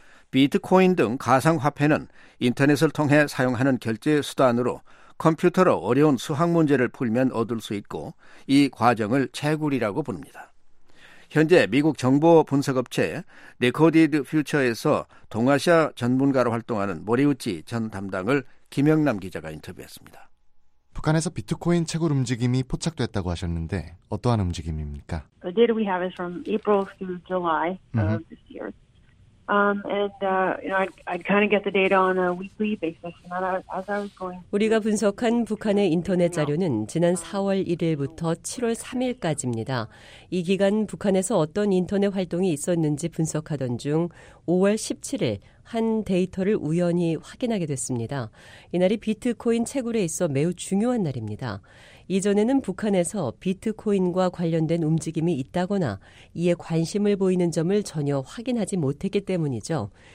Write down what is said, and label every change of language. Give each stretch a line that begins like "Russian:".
Korean: 비트코인 등 가상화폐는 인터넷을 통해 사용하는 결제 수단으로 컴퓨터로 어려운 수학 문제를 풀면 얻을 수 있고 이 과정을 채굴이라고 부릅니다. 현재 미국 정보 분석업체 레코디드 퓨처에서 동아시아 전문가로 활동하는 모리우찌 전 담당을 김영남 기자가 인터뷰했습니다. 북한에서 비트코인 채굴 움직임이 포착됐다고 하셨는데 어떠한 움직임입니까?
English: The data we have is from April through July of this year. And I'd kind of get the data on a weekly basis.
Korean: 우리가 분석한 북한의 인터넷 자료는 지난 4월 1일부터 7월 3일까지입니다. 이 기간 북한에서 어떤 인터넷 활동이 있었는지 분석하던 중 5월 17일 한 데이터를 우연히 확인하게 됐습니다. 이날이 비트코인 채굴에 있어 매우 중요한 날입니다. 이전에는 북한에서 비트코인과 관련된 움직임이 있다거나 이에 관심을 보이는 점을 전혀 확인하지 못했기 때문이죠.